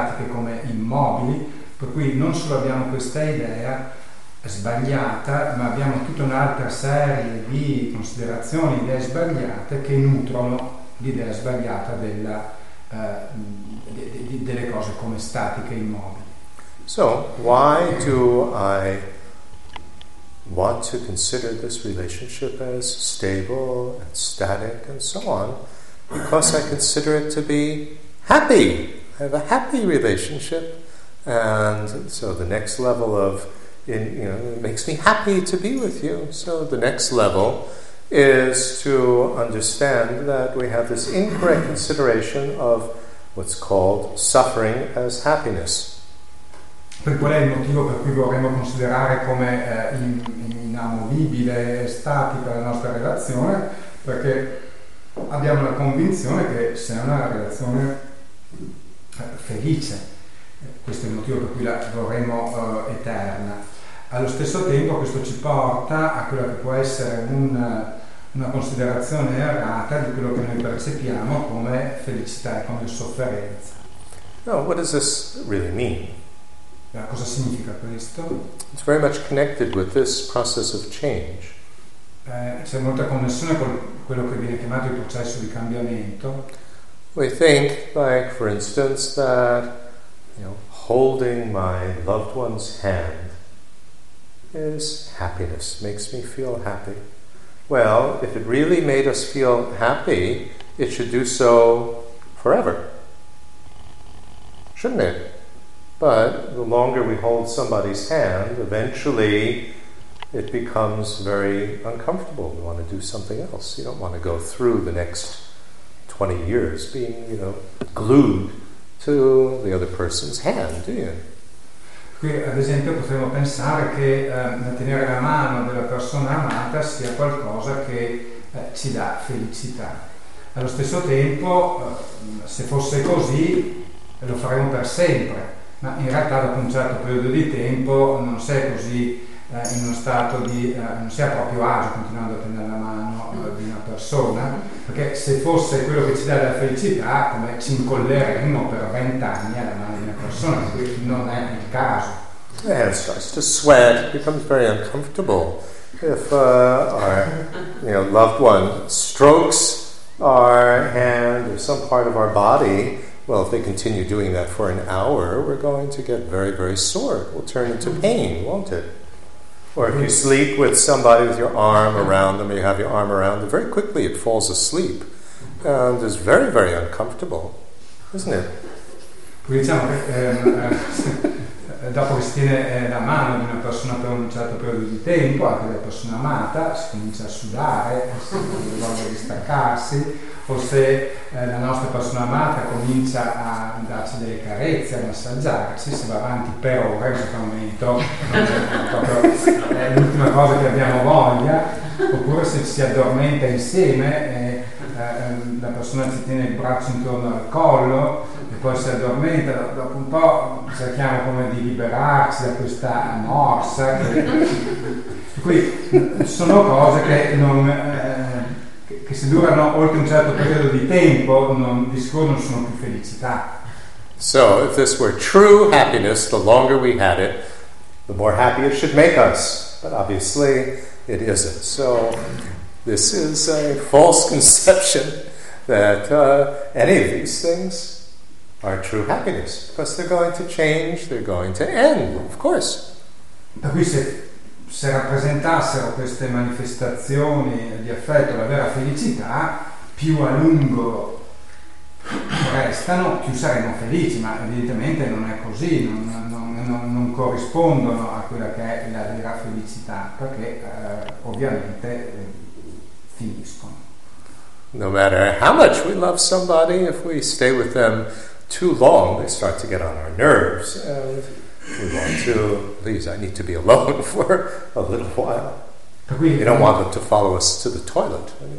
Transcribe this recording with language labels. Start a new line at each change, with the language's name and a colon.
Italian: come immobili, per cui non solo abbiamo questa idea sbagliata, ma abbiamo tutta un'altra serie di considerazioni, idee sbagliate, che nutrono l'idea sbagliata delle cose come statiche e immobili.
English: So, why do I want to consider this relationship as stable and static and so on? Because I consider it to be happy. I have a happy relationship, and so the next level of, it makes me happy to be with you. So the next level is to understand that we have this incorrect consideration of what's called suffering as happiness.
Italian: Per qual è il motivo per cui vorremmo considerare come inamovibile e statica la nostra relazione? Perché abbiamo la convinzione che sia una relazione felice. Questo è il motivo per cui la vorremmo eterna. Allo stesso tempo questo ci porta a quella che può essere una considerazione errata di quello che noi percepiamo come felicità e come sofferenza.
English: Now, what does this really mean?
Italian: Cosa significa questo?
English: It's very much connected with this process of change.
Italian: C'è molta connessione con quello che viene chiamato il processo di cambiamento.
English: We think, like, for instance, that holding my loved one's hand is happiness, makes me feel happy. Well, if it really made us feel happy, it should do so forever, shouldn't it? But the longer we hold somebody's hand, eventually it becomes very uncomfortable. We want to do something else. You don't want to go through the next 20 years being, glued to the other person's hand, do you?
Italian: Qui, ad esempio, potremmo pensare che mantenere la mano della persona amata sia qualcosa che ci dà felicità. Allo stesso tempo, se fosse così, lo faremmo per sempre. Ma in realtà, dopo un certo periodo di tempo, non sei così in uno stato di. Non sei a proprio agio continuando a tenere la mano di una persona, perché se fosse quello che ci dà la felicità, come ci incolleremmo per 20 anni alla mano di una persona? Questo non è il caso.
English: Starts to sweat, becomes very uncomfortable if our loved one strokes our hand or some part of our body. Well, if they continue doing that for an hour, we're going to get very, very sore. It will turn into pain, won't it? Or if you sleep with somebody with your arm around them, or you have your arm around them, very quickly it falls asleep and is very, very uncomfortable, isn't it?
Italian: Diciamo che dopo che si tiene la mano di una persona per un certo periodo di tempo, anche la persona amata, si comincia a sudare, si vuole distaccarsi. Forse la nostra persona amata comincia a darci delle carezze, a massaggiarci, se va avanti per ore, in questo momento è l'ultima cosa che abbiamo voglia, oppure se ci si addormenta insieme e la persona ci tiene il braccio intorno al collo e poi si addormenta, dopo un po' cerchiamo come di liberarci da questa morsa. Qui sono cose che non... che se durano oltre un certo periodo di tempo non, di sicuro non sono più felicità.
English: So if this were true happiness, the longer we had it, the more happy it should make us, but obviously it isn't. So this is a false conception that any of these things are true happiness, because they're going to change, they're going to end, of course.
Italian: Per cui se rappresentassero queste manifestazioni di affetto la vera felicità, più a lungo restano, più saremo felici, ma evidentemente non è così, non corrispondono a quella che è la vera felicità, perché ovviamente finiscono.
English: No matter how much we love somebody, if we stay with them too long, they start to get on our nerves. We want to, please, I need to be alone for a little while. You don't want them to follow us to the toilet.